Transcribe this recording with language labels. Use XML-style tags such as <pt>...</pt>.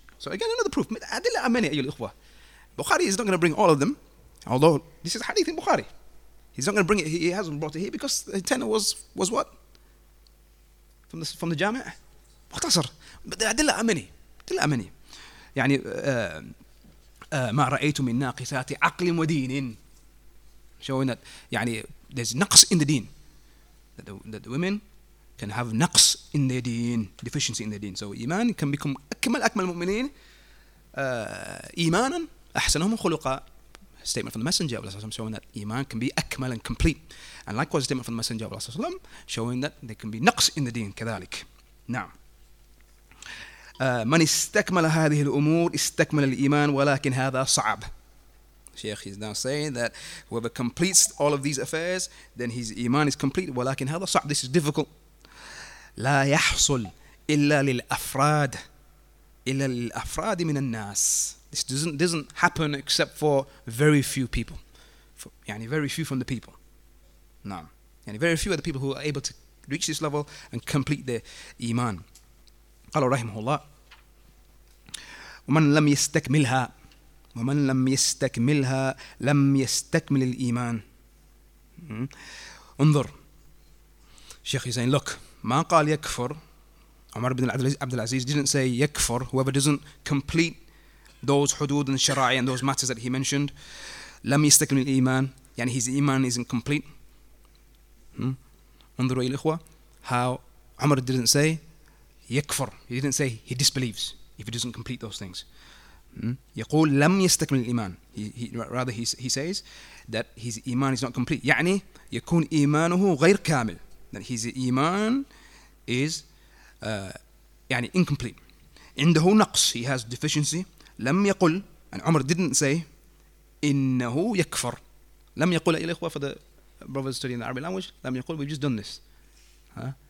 <en>So again, another proof,</en> <ar>أدلة أمانية أيها الإخوة.</ar> <en>Bukhari is not going to bring all of them, although this is hadith in Bukhari, he's not going to bring it, he hasn't brought it here, because the tenor was what, from the Jami'ah,</en> <ar>مختصر أدلة أمني أدلة أمني يعني ما رأيت من ناقصات عقل ودين</ar> <en>showing that يعني there's نقص in the deen that the women can have نقص in their deen deficiency in their deen so إيمان can become أكمل المؤمنين</en> <ar>إيمانا أحسنهم خلقا</ar> <en>statement from the messenger of Allah showing that إيمان can be أكمل and complete and likewise statement from the messenger of Allah showing that there can be نقص in the deen</en> <ar>كذلك نعم من استكمل هذه الأمور استكمل الإيمان ولكن هذا صعب</ar> <en>Sheikh is now saying that whoever completes all of these affairs, then his iman is complete.</en> <ar>ولكن هذا صعب.</ar> <en>This is difficult.</en> <ar>لا يحصل إلا للأفراد إلا للأفراد من الناس.</ar> <en>This doesn't happen except for very few people. يعني very few from the people. نعم. يعني very few are the people who are able to reach this level and complete their iman.</en> <ar>قال رحمه الله. ومن لم يستكملها ومن لم يستكملها لم يستكمل الإيمان. انظر. شيخ يسأل look. ما قال يكفر.</ar> <en>عمر بن عبد العزيز didn't say يكفر. Whoever doesn't complete those حدود and شرائع and those matters that he mentioned.</en> <ar>لم يستكمل الإيمان. يعني</ar> <en>his إيمان isn't complete.</en> <ar>انظروا إلى الإخوة.</ar> <en>How عمر didn't say يكفر. He didn't say he disbelieves if he doesn't complete those things.</en> <ar>يقول لم يستكمل الإيمان.</ar> <en>He says that his إيمان is not complete.</en> <ar>يعني يكون إيمانه غير كامل.</ar> <en>That his إيمان is يعني incomplete.</en> <ar>عنده نقص.</ar> <en>He has deficiency.</en> <ar>لم يقل.</ar> <en>And عمر didn't say إنه يكفر.</en> <ar>لم يقول يا إخوة</ar> <en>for the brothers studying the Arabic language.</en> <ar>لم يقول</ar> <en>we've just done this. Huh?</en>